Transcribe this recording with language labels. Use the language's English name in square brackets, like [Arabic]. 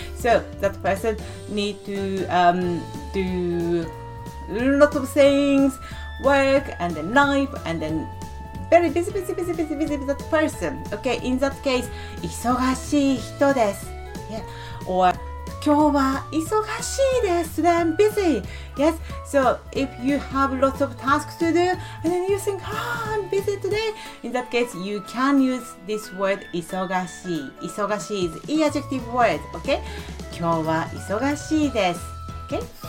[English] So that person need to do lots of things, work and then life and then very busy, that person. Okay, in that case, [Japanese] 忙しい人です. [English] Yeah. [Japanese] Or, 今日は忙しいですね. [English] I'm busy. Yes, so if you have lots of tasks to do, and then you think, I'm busy today, in that case, you can use this word, 忙しい. 忙しい is an adjective word, okay? [Japanese] 今日は忙しいです. [English] Okay?